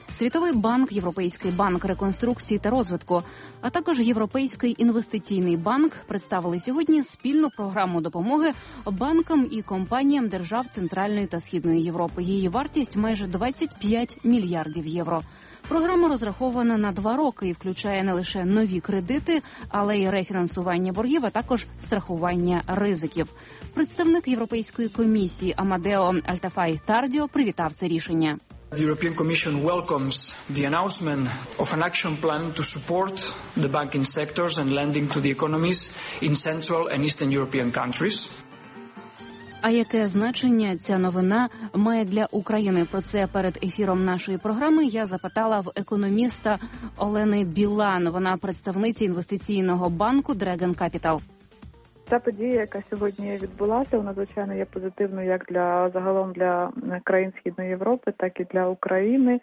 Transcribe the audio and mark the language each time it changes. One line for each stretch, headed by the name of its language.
Ukrainian: Світовий банк, Європейський банк реконструкції та розвитку, а також Європейський інвестиційний банк представили сьогодні спільну програму допомоги банкам і компаніям держав Центральної та Східної Європи. Її вартість майже 25 мільярдів євро. Програма розрахована на 2 роки і включає не лише нові кредити, але й рефінансування боргів, а також страхування ризиків. Представник Європейської комісії Амадео Альтафай Тардіо привітав це рішення.
English: The European Commission welcomes the announcement of an action plan to support the banking sectors and lending to the economies in Central and Eastern European countries.
Ukrainian: А яке значення ця новина має для України? Про це перед ефіром нашої програми я запитала в економіста Олени Білан. Вона представниця інвестиційного банку Dragon Capital. Ця подія, яка сьогодні відбулася, вона, звичайно, є позитивною як для загалом для країн Східної Європи, так і для України.